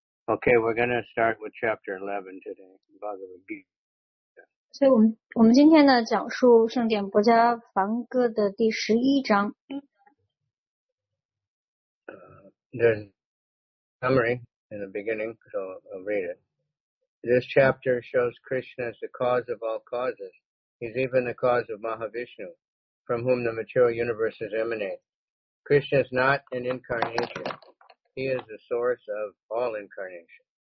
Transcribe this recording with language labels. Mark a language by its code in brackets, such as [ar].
[en] Okay, we're going to start with chapter 11 today. Bhagavad Gita. [zh] 所以我们今天呢讲述圣典不加梵歌的第十一章。 [en] There's a summary in the beginning, so I'll read it. This chapter shows Krishna as the cause of all causes. He's even the cause of Mahavishnu, from whom the material universes emanate. Krishna is not an incarnation. He is the source of all incarnation.